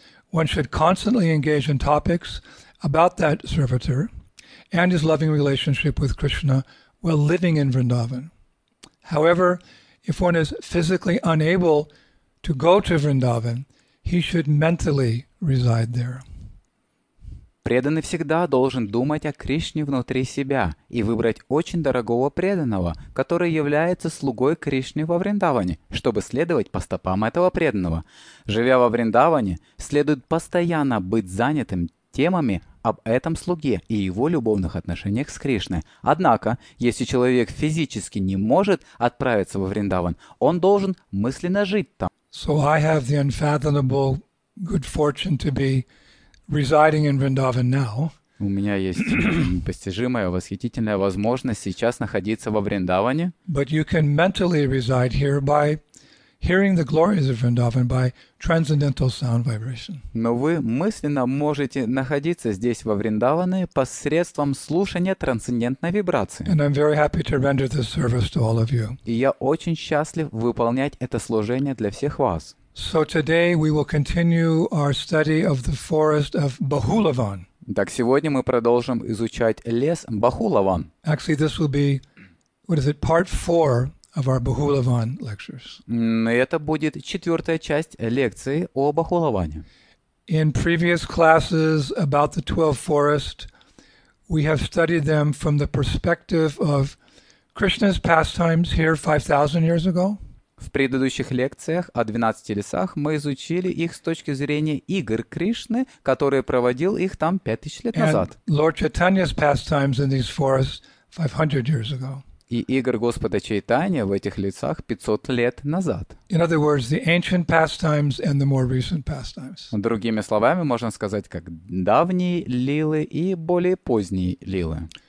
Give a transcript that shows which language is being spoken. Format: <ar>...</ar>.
<en>One should constantly engage in topics about that servitor and his loving relationship with Krishna while living in Vrindavan. However, if one is physically unable to go to Vrindavan, he should mentally reside there.</en> <ru>Преданный всегда должен думать о Кришне внутри себя и выбрать очень дорогого преданного, который является слугой Кришны во Вриндаване, чтобы следовать по стопам этого преданного. Живя во Вриндаване, следует постоянно быть занятым темами об этом слуге и его любовных отношениях с Кришной. Однако, если человек физически не может отправиться во Вриндаван, он должен мысленно жить там.</ru> <en>So I have the unfathomable good fortune to be residing in Vrindavan now.</en> <ru>У меня есть постижимая, восхитительная возможность сейчас находиться во Вриндаване.</ru> <en>But you can mentally reside here by hearing the glories of Vrindavan by transcendental sound vibration.</en> <ru>Но вы мысленно можете находиться здесь во Вриндаване посредством слушания трансцендентной вибрации.</ru> <en>And I'm very happy to render this service to all of you.</en> <ru>И я очень счастлив выполнять это служение для всех вас.</ru> <en>So today we will continue our study of the forest of Bahulavan.</en> <ru>Так сегодня мы продолжим изучать лес Бахулаван.</ru> <en>Actually, this will be, what is it, part four of our Bahulavan lectures.</en> <ru>Это будет четвертая часть лекции о Бахулаване.</ru> <en>In previous classes about the 12 forests, we have studied them from the perspective of Krishna's pastimes here 5,000 years ago.</en> <ru>В предыдущих лекциях о 12 лесах мы изучили их с точки зрения игр Кришны, которые проводил их там 5000 лет назад.</ru> <en>Lord Chaitanya's pastimes in these forests 500 years ago.</en> <ru>И игр Господа Чайтанья в этих лесах 500 лет назад.</ru> <en>In other words, the ancient pastimes and the more recent pastimes.</en> <ru>Другими словами, можно сказать, как давние лилы и более поздние лилы.</ru>